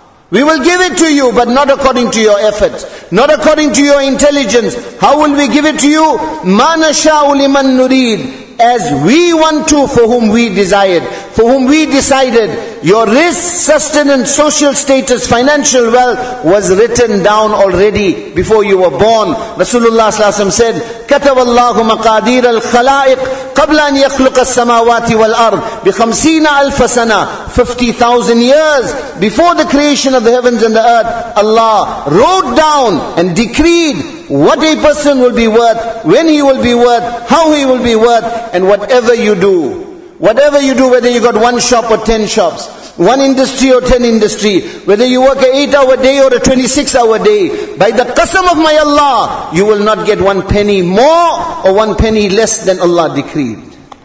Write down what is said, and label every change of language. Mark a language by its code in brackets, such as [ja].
[en] We will give it to you, but not according to your efforts, not according to your intelligence. How will we give it to you? [ar] مَا نَشَاءُ لِمَنْ نُرِيدُ. [en] As we want to, for whom we desired, for whom we decided. Your risk, sustenance, social status, financial wealth was written down already before you were born. [ar] Rasulullah sallallahu alaihi wasallam [en] said, [ar] كَتَبَ اللَّهُ مَقَادِيرَ الْخَلَائِقِ قَبْلَ أَنْ يَخْلُقَ السَّمَاوَاتِ وَالْأَرْضِ بِخَمْسِينَ أَلْفَ سَنَةٍ. [en] 50,000 years before the creation of the heavens and the earth, Allah wrote down and decreed what a person will be worth, when he will be worth, how he will be worth, and whatever you do. Whatever you do, whether you got one shop or 10 shops, one industry or 10 industry, whether you work an 8-hour day or a 26-hour day, by the qasam of my Allah, you will not get one penny more or one penny less than Allah decreed.